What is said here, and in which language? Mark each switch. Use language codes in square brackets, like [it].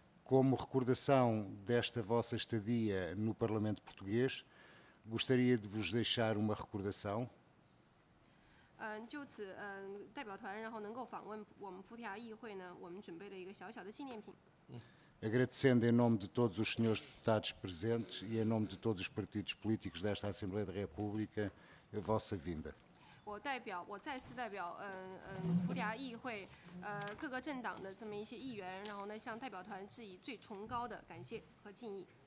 [pt] como recordação desta vossa estadia no Parlamento Português, gostaria de vos deixar uma recordação. [zh] 就此代表团然后能够访问我们葡萄牙议会呢，我们准备了一个小小的纪念品。 [pt] Agradecendo em nome de todos os senhores deputados presentes e em nome de todos os partidos políticos desta Assembleia da República, a vossa vinda. Eu [zh] 再次代表葡萄牙议会各个政党的这么一些议员，然后呢向代表团致以最崇高的感谢和敬意。